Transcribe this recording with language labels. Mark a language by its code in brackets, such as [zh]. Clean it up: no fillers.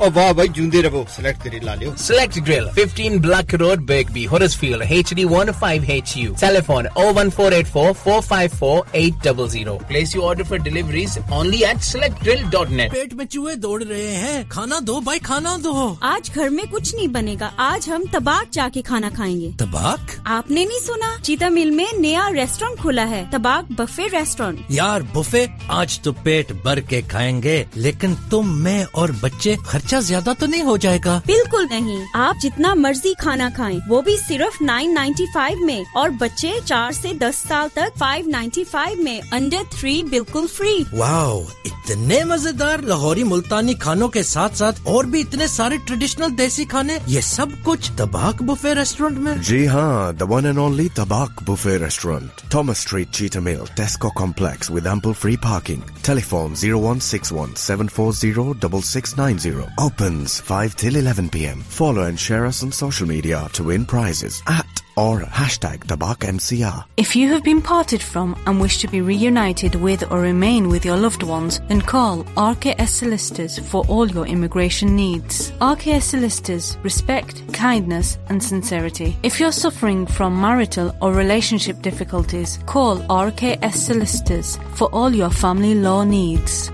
[pa] ਓ ਵਾਹ ਬਾਈ ਜੁੰਦੇ ਰਹੋ select grill ਲਾ ਲਿਓ [en] select grill 15 black road Birkby Huddersfield HD15HU telephone 01484454800 place you order for deliveries only at selectgrill.net [pa] ਪੇਟ ਵਿੱਚ ਚੂਹੇ ਦੌੜ ਰਹੇ ਹੈ [hi] खाना दो भाई खाना दो आज घर में कुछ नहीं बनेगा आज हम तबाक जाके खाना खाएंगे तबाक आपने नहीं सुना चीता मिल में नया रेस्टोरेंट खुला है तबाक बफे रेस्टोरेंट यार बफे आज तो पेट भर के खाएंगे लेकिन तुम मैं और बच्चे खर्चा ज्यादा तो नहीं हो जाएगा बिल्कुल नहीं आप जितना मर्जी खाना खाएं वो भी सिर्फ 995 में और बच्चे 4 से 10 साल तक 595 में अंडर 3 बिल्कुल फ्री वाओ इतने मजेदार लाहौरी मुल्तानी खानों के साथ साथ और भी इतने सारे ट्रेडिशनल देसी खाने ये सब कुछ तबाक बुफे रेस्टोरेंट में जी हाँ [en] the one and only [hi] तबाक buffet restaurant Thomas street cheetah mill टेस्को complex [en] with ample free parking [hi] telephone 0161-740-6690 [en] Opens 5 till 11 PM follow and share us on social media to win prizes at or hashtag TabakMCR. If you have been parted from and wish to be reunited with or remain with your loved ones, then call RKS Solicitors for all your immigration needs. RKS Solicitors, respect, kindness and sincerity. If you're suffering from marital or relationship difficulties, call RKS Solicitors for all your family law needs.